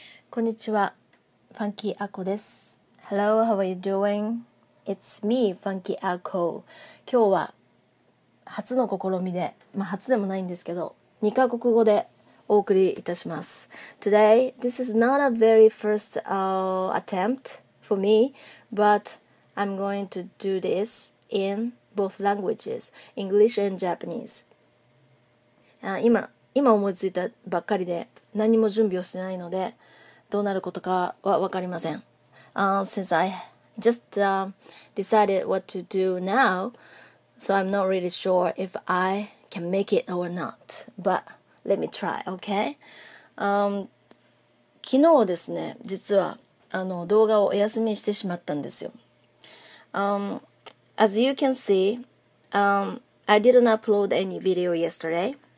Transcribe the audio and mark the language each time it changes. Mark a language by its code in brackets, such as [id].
[ja] こんにちは、ファンキーアコです。 [en] Hello, how are you doing? It's me, ファンキーアコ。 [ja] 今日は初の試みで、まあ初でもないんですけど、2カ国語でお送りいたします。 [en] Today, this is not a very first attempt for me, but I'm going to do this in both languages, English and Japanese. [ja] 今思いついたばっかりで、何も準備をしてないので、どうなることかは分かりません。 [en] Since I just decided what to do now, so I'm not really sure if I can make it or not. But let me try, okay? [ja] 昨日ですね、実は動画をお休みしてしまったんですよ。 [en] As you can see, I didn't upload any video yesterday.